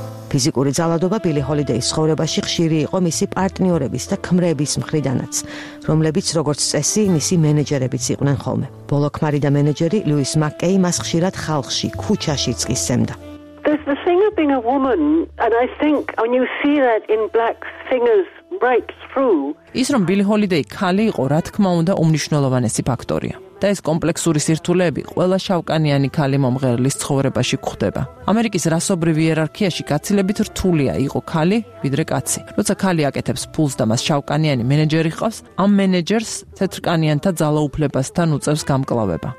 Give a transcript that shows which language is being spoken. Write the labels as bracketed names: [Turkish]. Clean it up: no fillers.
[Georgian] ფიზიკური ძალადობა ბილი ჰოლიდეის ცხოვრებაში ხშირი იყო მისი პარტნიორების და ქმრების მხრიდანაც, რომლებიც როგორც წესი მისი მენეჯერებიც იყვნენ ხოლმე. ბოლო ქმარი და მენეჯერი ლუის მაკეი მას ხშირად ხალხში, ქუჩაში წისემდა. [English] There's the thing of being a woman, and I think when you see that in black singers breaks through. [Georgian] ის რომ ბილი ჰოლიდეი ქალი იყო, რა თქმა უნდა, უმნიშვნელოვანესი ფაქტორია. და ეს კომპლექსური სირთულეები ყველა შავკანიანი ქალი მომღერლის ცხოვრებაში გვხვდება. ამერიკის რასობრივი იერარქიაში გაცილებით რთულია იყო ქალი, ვიდრე კაცი. როცა ქალი აკეთებს ფულს და მას შავკანიანი მენეჯერი ჰყავს, ამ მენეჯერს თეთრკანიანთა ძალაუფლებასთან უწევს გამკლავება.